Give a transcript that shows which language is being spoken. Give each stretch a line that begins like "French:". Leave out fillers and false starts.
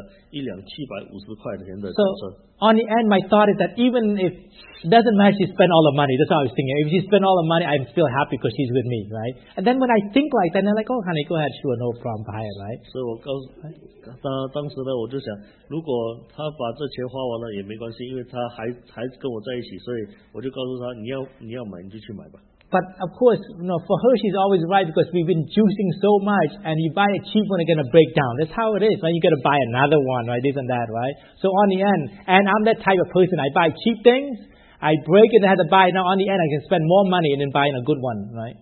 Chinese: 我的，而且我是如果我有钱的话，我买她买给她最好的。所以我记得有一次，我的银行我的户口只有750块，然后我太太说她要一辆脚车，我就买了一辆750块钱的脚车。
English: On the end, my thought is that even if it doesn't matter, she spent all the money. That's what I was thinking. If she spent all the money, I'm still happy because she's with me, right? And then when I think like that, I'm like, oh, honey, go ahead, sure, no problem, buy it, right? So,
Chinese: 我告诉她，当时呢，我就想，如果她把这钱花完了也没关系，因为她还跟我在一起，所以我就告诉她，你要买你就去买吧。
English: But of course, you know, for her, she's always right because we've been juicing so much and you buy a cheap one, it's going to break down. That's how it is. Right? You got to buy another one, right? This and that, right? So on the end, and I'm that type of person. I buy cheap things, I break it, I have to buy it. Now on the end, I can spend more money and then buying a good one, right?